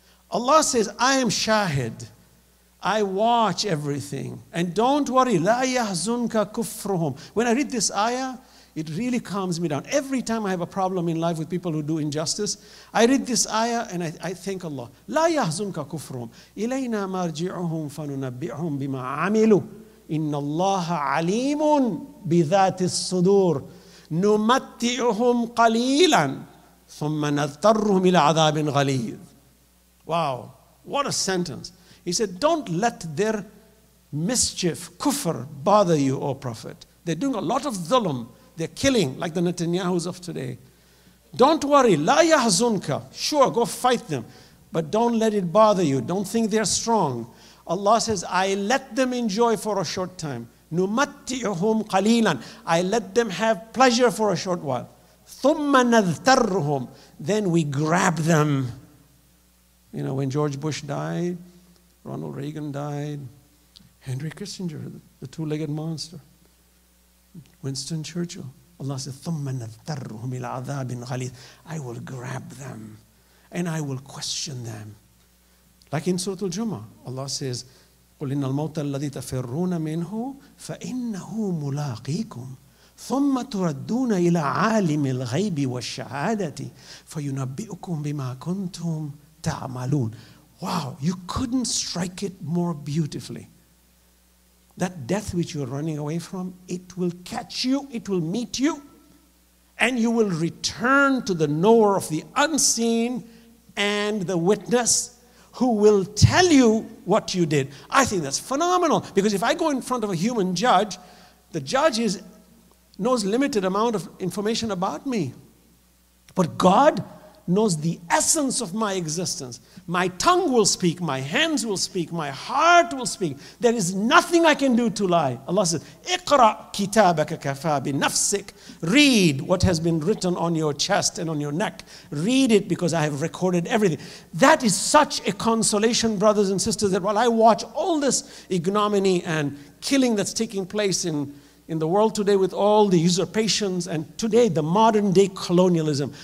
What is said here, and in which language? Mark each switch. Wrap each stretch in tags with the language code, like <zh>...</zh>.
<en>Allah says, I am Shahid. I watch everything. And don't worry,</en> <ar>لا يحزنك كفرهم.</ar> <en>When I read this ayah, it really calms me down. Every time I have a problem in life with people who do injustice, I read this ayah and I thank Allah.</en> <ar>لا يحزنك كفرهم. إلينا مرجعهم فننبئهم بما عملوا. إن الله عليم بذات الصدور. نمتعهم قليلا ثم نضطرهم إلى عذاب غليظ.</ar> <en>Wow, what a sentence. He said, don't let their mischief, kufr, bother you, O Prophet. They're doing a lot of zulm. They're killing, like the Netanyahu's of today. Don't worry.</en> <ar>لا يحزنك.</ar> <en>Sure, go fight them. But don't let it bother you. Don't think they're strong. Allah says, I let them enjoy for a short time.</en> <ar>نُمَتِّعُهُمْ قَلِيلًا.</ar> <en>I let them have pleasure for a short while.</en> <ar>ثُمَّ نَذْتَرُّهُمْ.</ar> <en>Then we grab them. You know, when George Bush died, Ronald Reagan died, Henry Kissinger, the two-legged monster, Winston Churchill. Allah said,</en> <ar>ثُمَّ نَذْتَرُّهُمْ إِلَىٰ عَذَابٍ غَلِيظٍ.</ar> <en>I will grab them and I will question them. Like in Surah Al-Jumu'ah, Allah says,</en> <ar>قُلْ إِنَّ الْمَوْتَ الَّذِي تَفِرُّونَ مِنْهُ فَإِنَّهُ مُلَاقِيكُمْ ثُمَّ تُرَدُّونَ إِلَىٰ عَالِمِ الْغَيْبِ وَالشَّهَادَةِ فَيُنَبِّئُكُمْ بِمَا كُنْتُمْ تَعْمَلُونَ.</ar> <en>Wow, you couldn't strike it more beautifully. That death which you're running away from, it will catch you, it will meet you, and you will return to the knower of the unseen and the witness who will tell you what you did. I think that's phenomenal, because if I go in front of a human judge, the judge knows limited amount of information about me. But God knows the essence of my existence. My tongue will speak, my hands will speak, my heart will speak. There is nothing I can do to lie. Allah says,</en> <ar>اقرأ كتابك كفى بنفسك.</ar> <en>Read what has been written on your chest and on your neck. Read it, because I have recorded everything. That is such a consolation, brothers and sisters, that while I watch all this ignominy and killing that's taking place in the world today with all the usurpations, and today the modern day colonialism.</en>